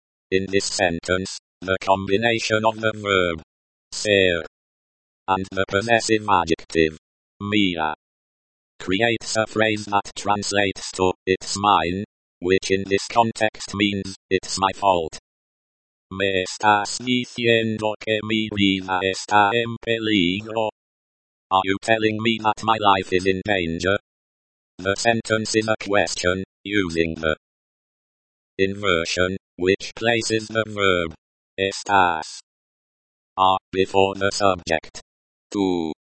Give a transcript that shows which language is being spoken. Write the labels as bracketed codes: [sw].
[en] In this sentence, the combination of the verb ser and the possessive adjective, mía, creates a phrase that translates to, it's mine, which in this context means, it's my fault. [es] Me estás diciendo que mi vida está en peligro? [en] Are you telling me that my life is in danger? The sentence is a question, using the inversion, which places the verb, estás, are, before the subject. Tú.